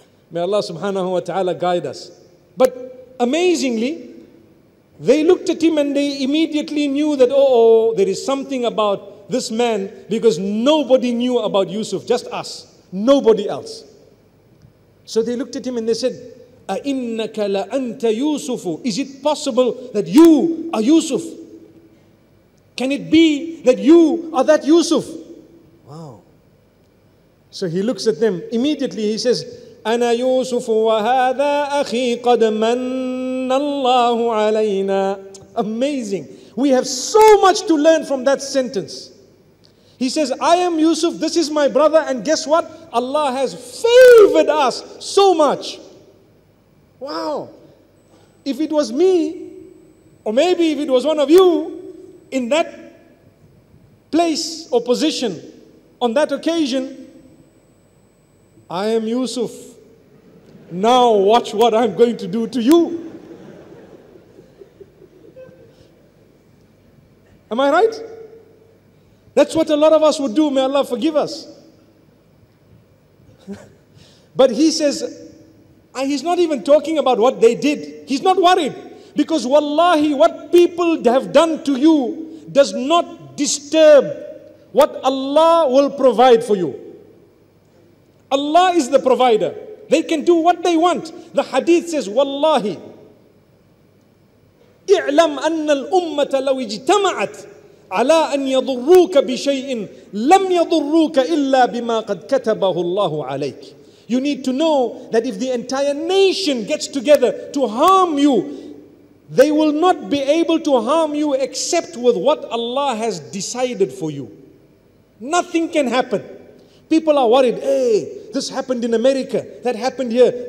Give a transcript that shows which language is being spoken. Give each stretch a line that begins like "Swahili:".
English: May Allah subhanahu wa ta'ala guide us. But amazingly, they looked at him and they immediately knew that, there is something about this man, because nobody knew about Yusuf, just us, nobody else. So they looked at him and they said,
Arabic: أَإِنَّكَ لَأَنْتَ يُوسُفُ.
English: Is it possible that you are Yusuf? Can it be that you are that Yusuf? Wow. So he looks at them immediately. He says,
Arabic: أَنَا يُوسُفُ وَهَذَا أَخِي قَدْ مَنَّ اللَّهُ عَلَيْنَا.
English: Amazing. We have so much to learn from that sentence. He says, I am Yusuf, this is my brother, and guess what? Allah has favored us so much. Wow. If it was me, or maybe if it was one of you, in that place or position, on that occasion, I am Yusuf. Now watch what I'm going to do to you. Am I right? That's what a lot of us would do. May Allah forgive us. But he says, he's not even talking about what they did. He's not worried. Because wallahi, what people have done to you does not disturb what Allah will provide for you. Allah is the provider. They can do what they want. The hadith says,
Arabic: wallahi, اعلم أن الأمة لو اجتمعت على أن يضروك بشيء لم يضروك إلا بما قد كتبه الله عليك.
English: You need to know that if the entire nation gets together to harm you, they will not be able to harm you except with what Allah has decided for you. Nothing can happen. People are worried, this happened in America, that happened here.